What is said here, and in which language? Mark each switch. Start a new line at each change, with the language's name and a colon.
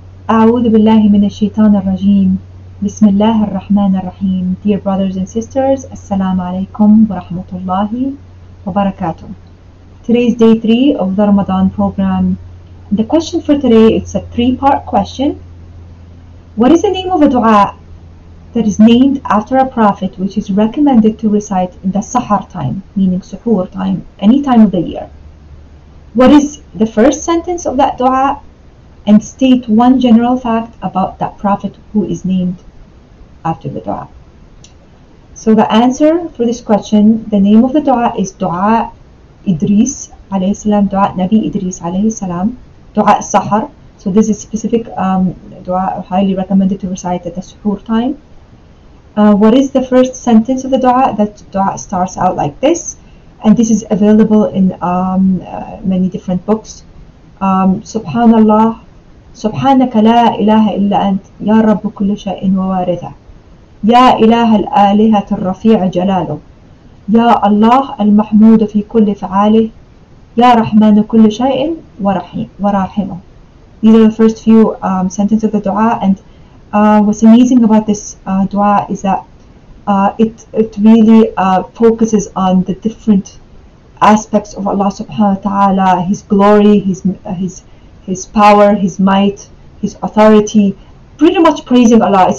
Arabic: أعوذ بالله من الشيطان الرجيم بسم الله الرحمن الرحيم
English: Dear brothers and sisters,
Arabic: السلام عليكم ورحمة الله وبركاته
English: Today is day 3 of the Ramadan program. The question for today, it's a three-part question. What is the name of a dua that is named after a prophet which is recommended to recite in the Sahar time, meaning Suhoor time, any time of the year? What is the first sentence of that dua? And state one general fact about that prophet who is named after the dua. So the answer for this question, the name of the dua is dua Idris alayhi salam, dua Nabi Idris alayhi salam, dua Sahar. So this is specific dua highly recommended to recite at the suhoor time. What is the first sentence of the dua? That dua starts out like this, and this is available in many different books. Subhanallah.
Arabic: سبحانك لا إله إلا أنت يا رب كل شيء ووارثه يا إله الآلهة الرفيع جلاله يا الله المحمود في كل فعاله يا رحمن كل شيء ورحيمه.
English: These are the first few sentences of the dua, and what's amazing about this dua is that it really focuses on the different aspects of Allah subhanahu wa ta'ala, His glory, His power, His might, His authority, pretty much praising Allah.